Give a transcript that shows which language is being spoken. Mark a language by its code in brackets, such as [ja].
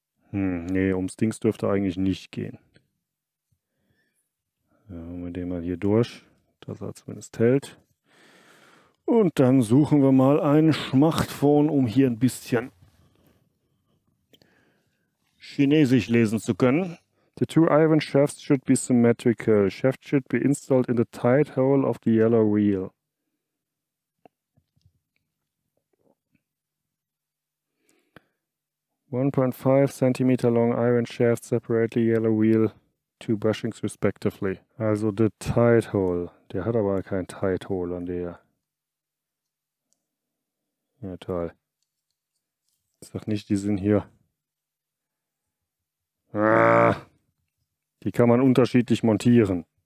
[de] Nee, ums Dings dürfte eigentlich nicht gehen. Ja, mit dem mal hier durch, dass er zumindest hält. Und dann suchen wir mal einen Schmachtfon, um hier ein bisschen Chinesisch lesen zu können. [en] The two iron shafts should be symmetrical. Shaft should be installed in the tight hole of the yellow wheel. ...1.5 cm long iron shaft separately yellow wheel, two bushings respectively. Also the tight hole. [de] Der hat aber kein [en] tight hole [de] an der. Ja, toll. Sag nicht, die sind hier. Ah, die kann man unterschiedlich montieren.